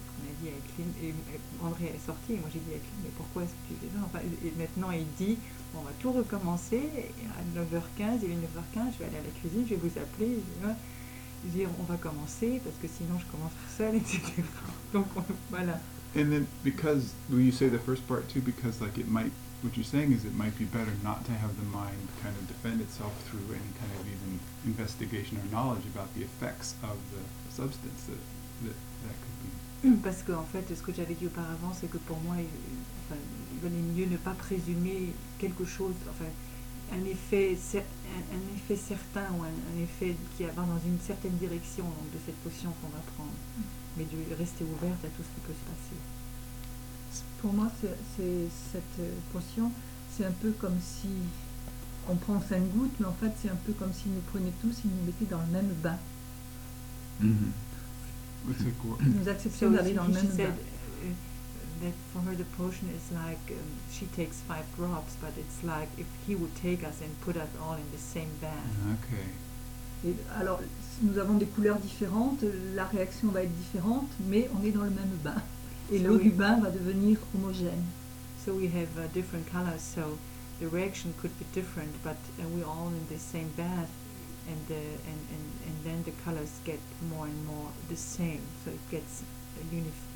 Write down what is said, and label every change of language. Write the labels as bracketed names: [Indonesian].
[French] On a dit à Clint, et André est sorti, et moi j'ai dit à Clint, mais pourquoi est-ce que tu fais ça? Enfin, et maintenant, il dit, on va tout recommencer à 9h15, il est 9h15, je vais aller à la cuisine, je vais vous appeler. Je vais dire, on va commencer parce que sinon, je commence tout seul, etc. Donc, voilà. [English] And then, because, will you say the first part too? Because, like, it might, what you're saying is it might be better not to have the mind kind of defend itself through any kind of even investigation or knowledge about the effects of the substance that could be. [French] Parce que, en fait, ce que j'avais dit auparavant, c'est que pour moi, il valait mieux ne pas présumer quelque chose, enfin, un effet certain ou un effet qui va dans une certaine direction de cette potion qu'on va prendre. Mais de rester ouverte à tout ce qui peut se passer. Pour moi, c'est cette potion, c'est un peu comme si on prend 5 gouttes, mais en fait, c'est un peu comme si nous prenions tous et nous mettions dans le même bain. Mm-hmm. Nous acceptons d'aller dans le même bain. [English] That for her the potion is like she takes 5 drops, but it's like if he would take us and put us all in the same bath. Okay. [French] Et alors, si nous avons des couleurs différentes, la réaction va être différente, mais on est dans le même bain. Et [English] so [French] l'eau du bain va devenir homogène. [English] So we have different colors, so the reaction could be different, but we're all in the same bath, and then the colors get more and more the same, so it gets uniform.